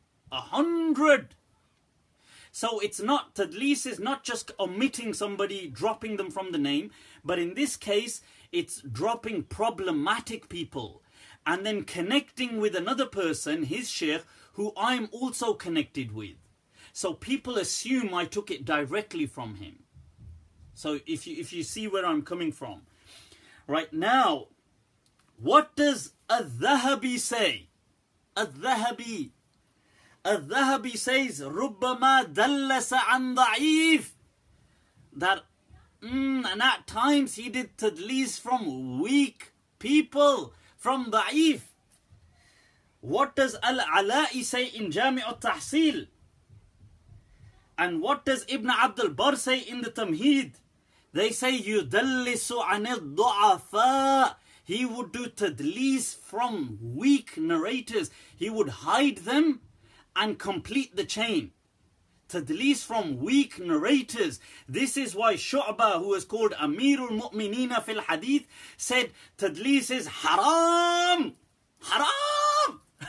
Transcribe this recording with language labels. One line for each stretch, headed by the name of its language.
English: 100! So it's not, tadlis is not just omitting somebody, dropping them from the name, but in this case, it's dropping problematic people and then connecting with another person, his sheikh, who I'm also connected with. So people assume I took it directly from him. So if you see where I'm coming from. Right now, what does Al-Dhahabi say? Al-Dhahabi. Al-Dhahabi says,
Arabic: رُبَّمَا دَلَّسَ عَنْ ضَعِيفٍ.
English: That and at times he did tadlis from weak people, from da'if. What does Al-Ala'i say in Jami'u Tahsil? And what does Ibn Abd al-Bar say in the Tamheed? They say,
Arabic: يُدَلِّسُ عَنِ الضُعَفَاء.
English: He would do tadlis from weak narrators. He would hide them and complete the chain. Tadlis from weak narrators. This is why Shu'ba, who was called Amirul Mu'minina fil Hadith, said tadlis is haram. Haram!